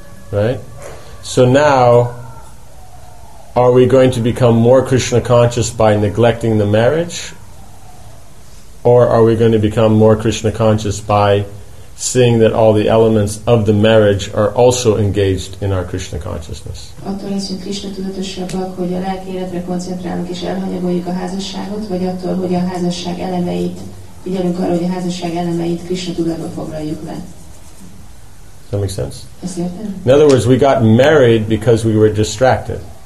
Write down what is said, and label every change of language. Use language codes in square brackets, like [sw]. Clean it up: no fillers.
[en] Right? So now, are we going to become more Krishna conscious by neglecting the marriage? Or are we going to become more Krishna conscious by seeing that all the elements of the marriage are also engaged in our Krishna consciousness? [hu] Attól leszünk Krishna tudatosabbak, hogy a lelki életre koncentrálunk és elhanyagoljuk a házasságot, vagy attól, hogy a házasság elemeit, figyelünk arra, hogy a házasság elemeit Krishna tudatba foglaljuk be. [en] Does that make sense? In other words, we got married because we were distracted.